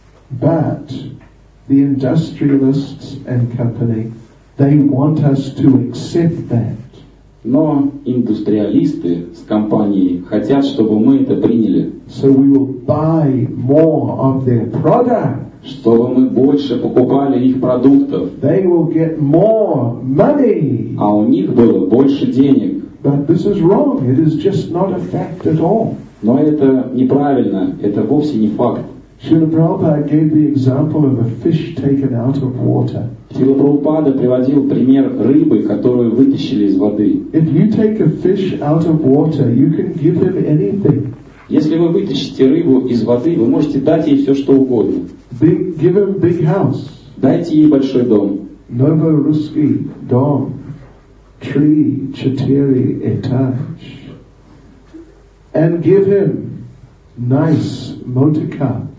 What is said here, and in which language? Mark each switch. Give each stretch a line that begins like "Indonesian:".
English: But the industrialists and company, they want us to accept that.
Russian: Но индустриалисты с компанией хотят, чтобы мы это приняли.
English: So we will buy more of their product.
Russian: Чтобы мы больше покупали их продуктов.
English: They will get more money.
Russian: А у них было больше денег.
English: But this is wrong. It is just not a fact at all.
Russian: Но это неправильно. Это вовсе не факт.
English: Srila Prabhupada gave the example of a fish taken out of water.
Russian: Srila Prabhupada приводил пример рыбы, которую вытащили из воды.
English: If you take a fish out of water, you can give him anything.
Russian: Если вы вытащите рыбу из воды, вы можете дать ей все, что угодно.
English: Give him big house.
Russian: Дайте ей большой дом. Novorusky, дом. Tree, chattery, etaj.
English: And give him nice motor car.